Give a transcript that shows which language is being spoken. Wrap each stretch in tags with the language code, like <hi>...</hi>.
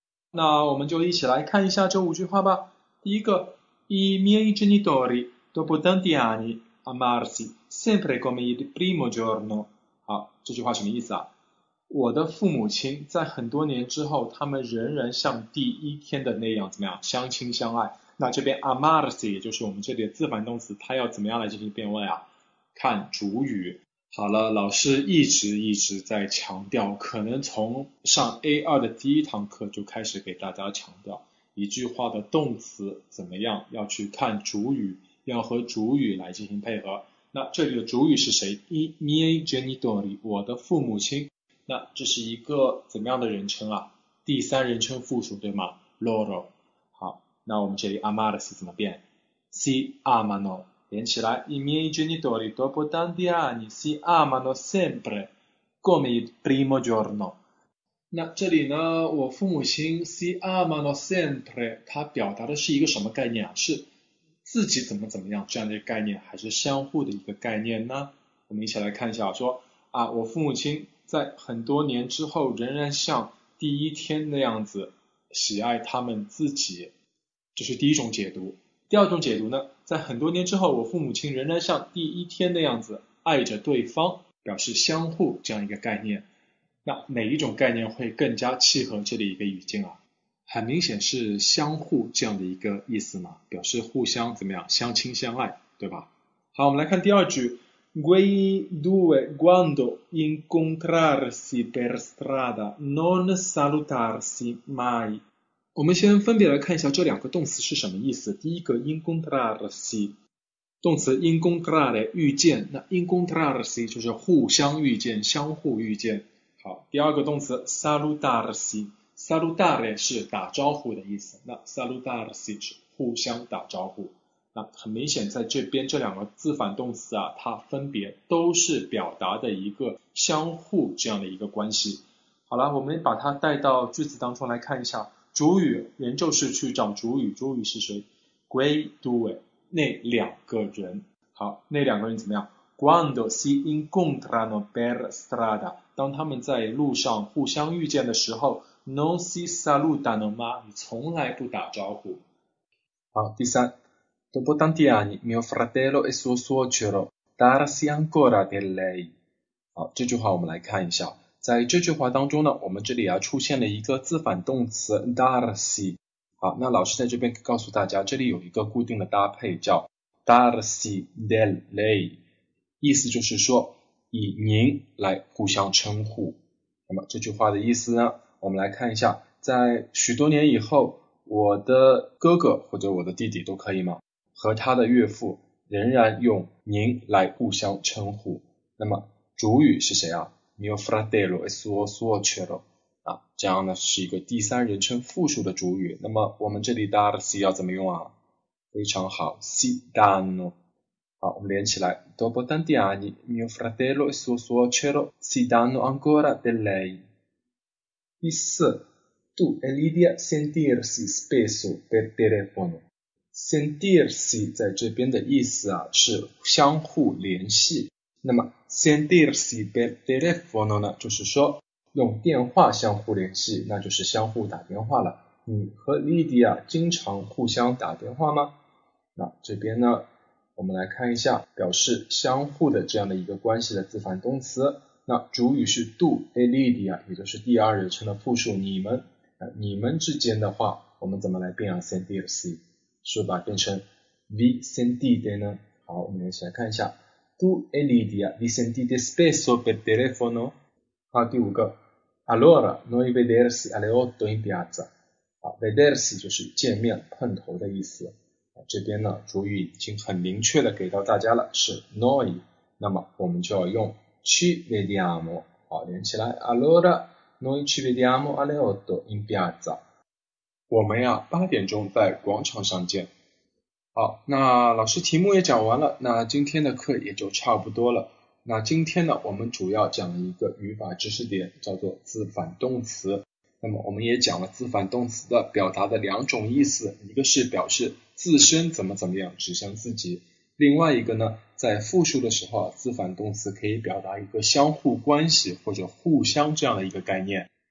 <zh>那我们就一起来看一下这五句话吧。第一个，</zh> <it>i miei genitori dopo tanti anni amarsi sempre come il primo giorno。</it> <zh>好，这句话什么意思啊？我的父母亲在很多年之后，他们仍然像第一天的那样，怎么样，相亲相爱？那这边 amarsi 就是我们这里的自反动词，它要怎么样来进行变位啊？看主语。好了，老师一直在强调，可能从上 A2 的第一堂课就开始给大家强调，一句话的动词怎么样，要去看主语，要和主语来进行配合。那这里的主语是谁？</zh> <it>I miei genitori，</it> <zh>我的父母亲。那这是一个怎么样的人称啊？第三人称复数，对吗？Loro。好，那我们这里 amarsi 怎么变？</zh> <it>Si amano。</it> <zh>连起来，</zh> <it>i miei genitori dopo tanti anni si amano sempre come il primo giorno。</it> <zh>那这里呢，我父母亲</zh> <it>si amano sempre，</it> <zh>它表达的是一个什么概念啊？是自己怎么怎么样这样的一个概念，还是相互的一个概念呢？我们一起来看一下，说啊，我父母亲在很多年之后仍然像第一天那样子喜爱他们自己，这是第一种解读。第二种解读呢，在很多年之后，我父母亲仍然像第一天那样子爱着对方，表示相互这样一个概念。那哪一种概念会更加契合这里一个语境啊？很明显是相互这样的一个意思嘛，表示互相怎么样，相亲相爱，对吧？好，我们来看第二句，</zh> <it>Quei due quando incontrarsi per strada non salutarsi mai。</it> <zh>我们先分别来看一下这两个动词是什么意思。第一个 incontrarsi，动词 incontrare 遇见，那 incontrarsi 就是互相遇见、相互遇见。好，第二个动词 salutarsi，salutare 是打招呼的意思，那 salutarsi 是互相打招呼。那很明显，在这边这两个自反动词啊，它分别都是表达的一个相互这样的一个关系。好了，我们把它带到句子当中来看一下。主语，人就是去找主语，主语是谁？</zh> <it>Quei due，</it> <zh>那两个人。好，那两个人怎么样？</zh> <it>Quando si incontrano per strada，</it> <zh>当他们在路上互相遇见的时候，</zh> <it>non si salutano mai，</it> <zh>从来不打招呼。好，第三，</zh> <it>dopo tanti anni mio fratello e suo suocero darsi ancora di lei。</it> <zh>好，这句话我们来看一下。在这句话当中呢，我们这里啊出现了一个自反动词 darsi。好，那老师在这边告诉大家，这里有一个固定的搭配叫 darsi del lei，意思就是说以您来互相称呼。那么这句话的意思呢，我们来看一下，在许多年以后，我的哥哥或者我的弟弟都可以吗？和他的岳父仍然用您来互相称呼。那么主语是谁啊？</zh> <it>mio fratello e suo suocero</it> <zh>啊，这样呢是一个第三人称复数的主语。那么我们这里 darsi 要怎么用啊？非常好，</zh> <it>si danno。</it> <zh>好，我们连起来，</zh> <it>dopo tanti anni mio fratello e suo suocero si danno ancora di lei。</it> <zh>第四，</zh> <it>tu e Lidia sentirsi spesso per telefono。</it> <zh>sentirsi 在这边的意思啊是相互联系。那么</zh> <it>sentirsi per telefono</it> <zh>呢，就是说用电话相互联系，那就是相互打电话了。你和 Lydia 经常互相打电话吗？那这边呢，我们来看一下表示相互的这样的一个关系的自反动词。那主语是 do e Lydia，也就是第二人称的复数你们。那你们之间的话，我们怎么来变啊 sentirsi？是把变成</zh> <it>vi sentite</it> <zh>呢？好，我们一起来看一下。</zh> <it>Tu e Lidia vi sentite spesso per telefono?</it> <zh>好，第五个，</zh> <it>Allora noi vedersi alle 8 in piazza。</it> <zh>好，vedersi 就是见面、碰头的意思。这边呢，主语已经很明确的给到大家了，是 noi。那么我们就要用</zh> <it>ci vediamo。</it> <zh>好，连起来，</zh> <it>Allora noi ci vediamo alle 8 in piazza。</it> <zh>我们呀，8点钟在广场上见。好，那老师题目也讲完了，那今天的课也就差不多了。那今天呢，我们主要讲了一个语法知识点，叫做自反动词。那么我们也讲了自反动词的表达的两种意思，一个是表示自身怎么怎么样，指向自己；另外一个呢，在复数的时候，自反动词可以表达一个相互关系或者互相这样的一个概念。</zh>